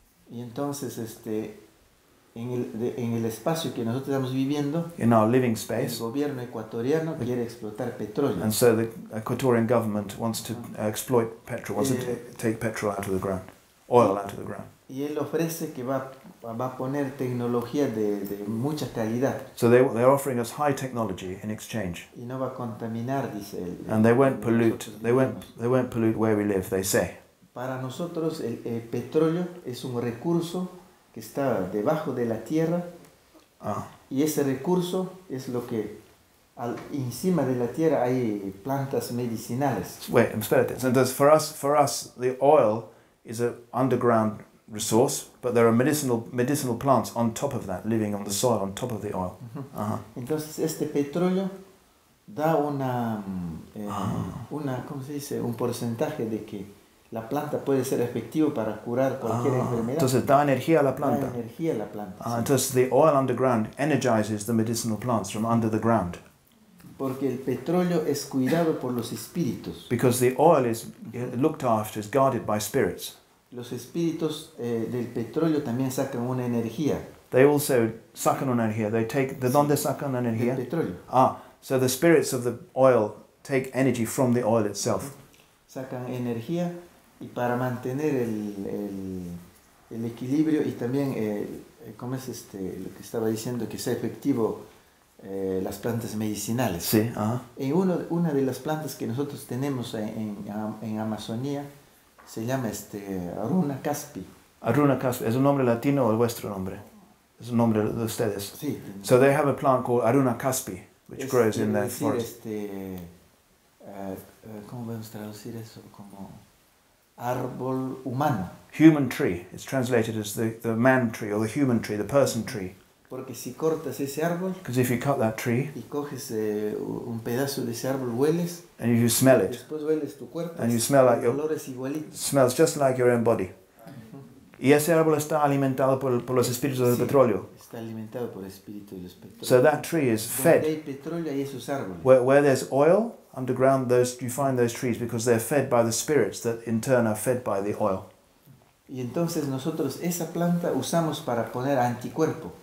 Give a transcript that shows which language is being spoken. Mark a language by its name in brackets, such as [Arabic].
[Spanish] Y entonces, en el espacio que nosotros estamos viviendo, [English] in our living space, [Spanish] el gobierno ecuatoriano quiere explotar petróleo. [English] And so the Ecuatorian government wants to exploit petrol, wants to take petrol out of the ground, oil out of the ground. [Spanish] Y él ofrece que va a poner tecnología de mucha calidad. [English] So they're offering us high technology in exchange. [Spanish] Y no va a contaminar, dice él. [English] And they won't pollute. They won't pollute where we live, they say. [Spanish] Para nosotros el petróleo es un recurso que está debajo de la tierra. Y ese recurso es lo que encima de la tierra hay plantas medicinales. [English] Wait, [Spanish] espérate. [English] So entonces, for us, the oil is an underground resource, but there are medicinal plants on top of that, living on the soil, on top of the oil. Uh-huh. [Spanish] Entonces este petróleo da una una, ¿cómo se dice? Un porcentaje de que la planta puede ser efectivo para curar cualquier enfermedad. Entonces da energía a la planta. Da energía a la planta. Sí. [English] Entonces the oil underground energizes the medicinal plants from under the ground. [Spanish] Porque el petróleo es cuidado por los espíritus. [English] Because the oil is looked after, is guarded by spirits. [Spanish] Los espíritus del petróleo también sacan una energía. [English] They also [Spanish] sacan una energía. [English] They take [Spanish] de dónde sacan energía? Del petróleo. [English] Ah, so the spirits of the oil take energy from the oil itself. [Spanish] Sacan energía y para mantener el equilibrio y también cómo es lo que estaba diciendo que sea efectivo las plantas medicinales. Sí. Uh-huh. En una de las plantas que nosotros tenemos en Amazonía. Se llama Aruna Caspi. Aruna Caspi, ¿es un nombre latino o es vuestro nombre? Es un nombre de ustedes. Sí. [English] So they have a plant called Aruna Caspi, which grows in their forest. [Spanish] ¿Cómo podemos traducir eso? Como árbol humano. [English] Human tree. It's translated as the man tree or the human tree, the person tree. [Spanish] Porque si cortas ese árbol, [English] because if you cut that tree, [Spanish] y coges un pedazo de ese árbol, hueles, [English] and you smell it, [Spanish] después hueles tu cuerpo, [English] and you smell like your, [Spanish] olor es igualito. [English] Smells just like your own body. [Spanish] Y ese árbol está alimentado por los espíritus del petróleo. Está alimentado por el espíritu del petróleo. [English] So that tree is fed. [Spanish] Donde hay petróleo, hay esos árboles. [English] Where there's oil underground, those you find those trees because they're fed by the spirits that in turn are fed by the oil. [Spanish] Y entonces nosotros esa planta usamos para poner anticuerpo.